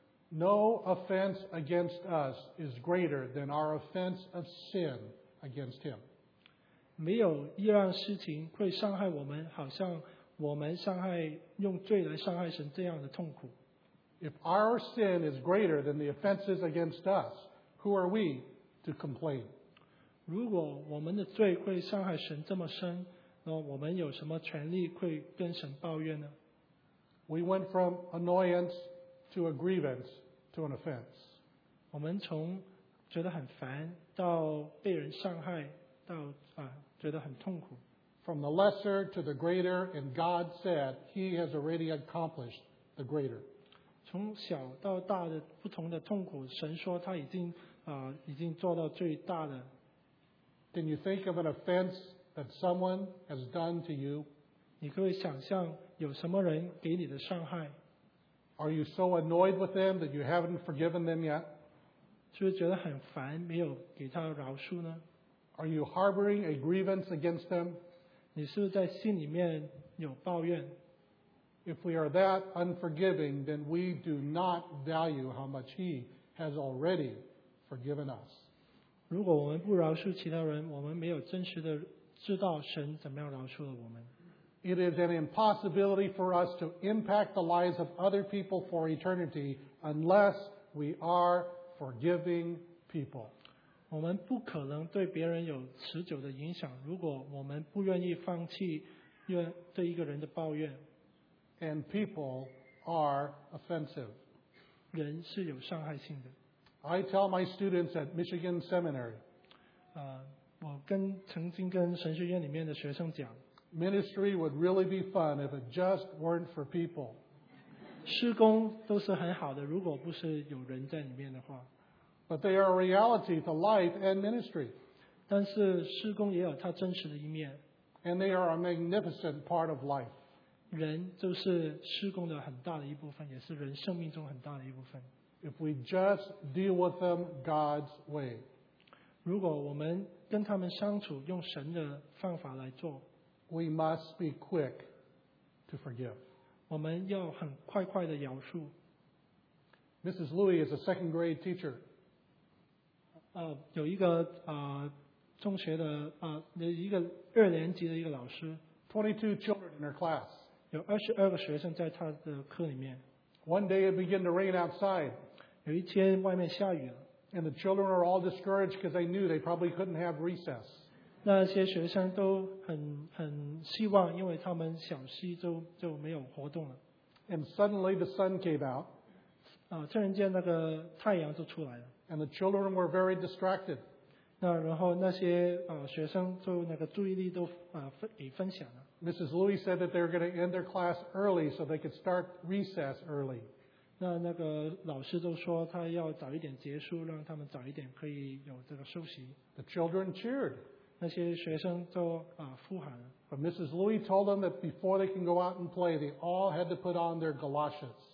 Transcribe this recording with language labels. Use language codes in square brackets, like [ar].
[en] No offense against us is greater than our offense of sin against Him. [zh] 没有一样事情会伤害我们，好像我们伤害用罪来伤害神这样的痛苦。 [en] If our sin is greater than the offenses against us, who are we to complain? [zh] 如果我们的罪会伤害神这么深，那我们有什么权利会跟神抱怨呢？ [en] We went from annoyance to a grievance to an offense. [zh] 我们从觉得很烦到被人伤害。到觉得很痛苦。 [en] From the lesser to the greater, and God said He has already accomplished the greater. [zh] 从小到大的不同的痛苦，神说他已经已经做到最大的。 [en] Can you think of an offense that someone has done to you? [zh] 你可以想象有什么人给你的伤害？ [en] Are you so annoyed with them that you haven't forgiven them yet? [zh] 是不是觉得很烦，没有给他饶恕呢？ [en] Are you harboring a grievance against them? [zh] 你是不是在心里面有抱怨？ [en] If we are that unforgiving, then we do not value how much He has already forgiven us. [zh] 如果我们不饶恕其他人，我们没有真实的知道神怎么样饶恕了我们。 [en] It is an impossibility for us to impact the lives of other people for eternity unless we are forgiving people. [zh] 我们不可能对别人有持久的影响，如果我们不愿意放弃对一个人的抱怨。 [en] And people are offensive. [zh] 人是有伤害性的。 [en] I tell my students at Michigan Seminary, [zh] 我跟曾经跟神学院里面的学生讲， [en] Ministry would really be fun if it just weren't for people. [zh] 施工都是很好的，如果不是有人在里面的话。 [en] But they are a reality to life and ministry. [zh] 但是施工也有它真实的一面。 [en] And they are a magnificent part of life. [zh] 人就是施工的很大的一部分，也是人生命中很大的一部分。 [en] If we just deal with them God's way, [zh] 如果我们跟他们相处用神的方法来做， [en] we must be quick to forgive. [zh] 我们要很快的饶恕。 [en] Mrs. Louis is a second grade teacher. [zh] 有一个中学的一个二年级的一个老师。 [en] 22 children in her class. [zh] 有22个学生在他的课里面。 [en] One day it began to rain outside. [zh] 有一天外面下雨了。 [en] And the children were all discouraged because they knew they probably couldn't have recess. [zh] 那些学生都很希望，因为他们小息就没有活动了。 [en] And suddenly the sun came out. [zh] 突然间那个太阳就出来了。 [en] And the children were very distracted. [zh] 那然后那些学生就那个注意力都给分散了。 [en] Mrs. Louis said that they were going to end their class early so they could start recess early. [zh] 那个老师都说他要早一点结束，让他们早一点可以有这个休息。 [en] The children cheered. [zh] 那些学生都呼喊。 [en] But Mrs. Louis told them that before they can go out and play, they all had to put on their galoshes.